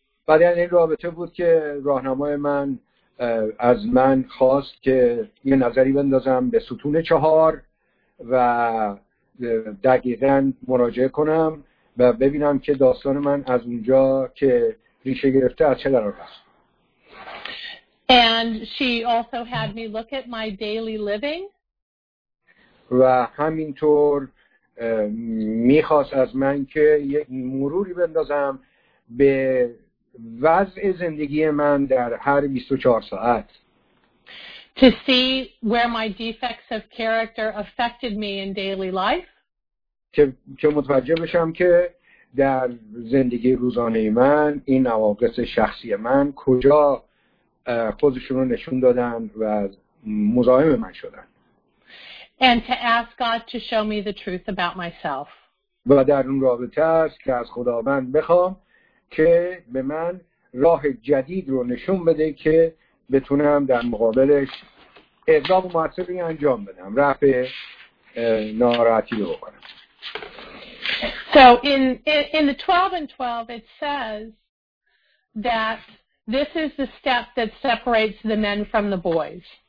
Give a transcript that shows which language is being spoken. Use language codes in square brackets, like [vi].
[fa] بعد این رابطه بود که راهنمای من از من خواست که یه نظری بندازم به ستون چهار و دقیقاً مراجعه کنم و ببینم که داستان من از اونجا که ریشه گرفته از چه قرار است. [en] And she also had me look at my daily living. [fa] و همینطور میخواست از من که یک مروری بندازم به وضع زندگی من در هر 24 ساعت. [en] To see where my defects of character affected me in daily life. [fa] که متوجه بشم که در زندگی روزانه من این نواقص شخصی من کجا خودشون رو نشون دادن و مزاحم من شدن. [en] And to ask God to show me the truth about myself. [fa] و در اون رابطه است که از خداوند بخوام که به من راه جدید رو نشون بده که بتونم در مقابلش اقدام و مؤثری انجام بدم، رفع ناراحتی رو بکنم. [en] So in the 12 and 12 it says that this is the step that separates the men from the boys.